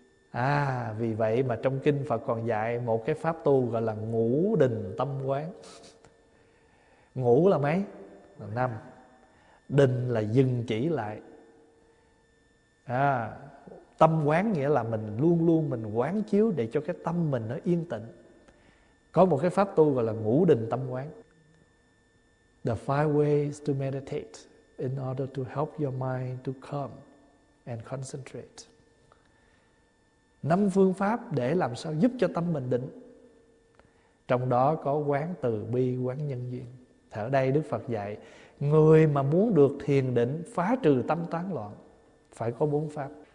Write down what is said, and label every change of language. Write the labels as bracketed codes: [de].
[vi] À, vì vậy mà trong kinh Phật còn dạy một cái pháp tu gọi là ngũ đình tâm quán. Ngũ là mấy? Là năm. Đình là dừng chỉ lại. À, tâm quán nghĩa là mình luôn luôn mình quán chiếu để cho cái tâm mình nó yên tĩnh. Có một cái pháp tu gọi là ngũ đình tâm quán. [en] The five ways to meditate in order to help your mind to calm and concentrate. [vi] Năm phương pháp để làm sao giúp cho tâm mình định. Trong đó có quán từ bi, quán nhân duyên. Thì ở đây Đức Phật dạy, người mà muốn được thiền định phá trừ tâm tán loạn, phải có bốn pháp.